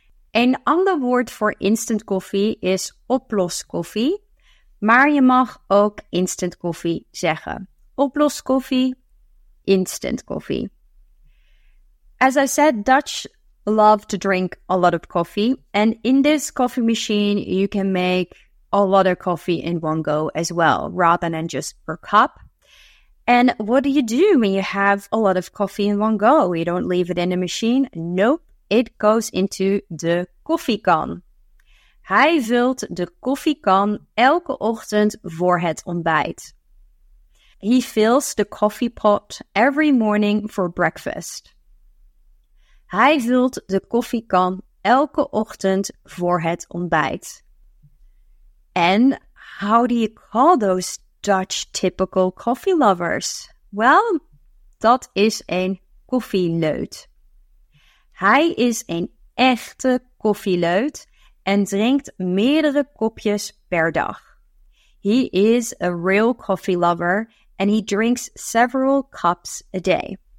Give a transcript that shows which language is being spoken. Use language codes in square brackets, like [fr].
[nl] Een ander woord voor instant coffee is oploskoffie, maar je mag ook instant coffee zeggen. Oploskoffie, instant coffee. [en] As I said, Dutch love to drink a lot of coffee, and in this coffee machine you can make a lot of coffee in one go as well, rather than just per cup. And what do you do when you have a lot of coffee in one go? You don't leave it in the machine? Nope, it goes into the koffiekan. [nl] Hij vult de koffiekan elke ochtend voor het ontbijt. [en] He fills the coffee pot every morning for breakfast. [nl] Hij vult de koffiekan elke ochtend voor het ontbijt. [en] And how do you call those Dutch typical coffee lovers? [nl] Well, dat is een koffieleut. Hij is een echte koffieleut en drinkt meerdere kopjes per dag. [en] He is a real coffee lover and he drinks several cups a day.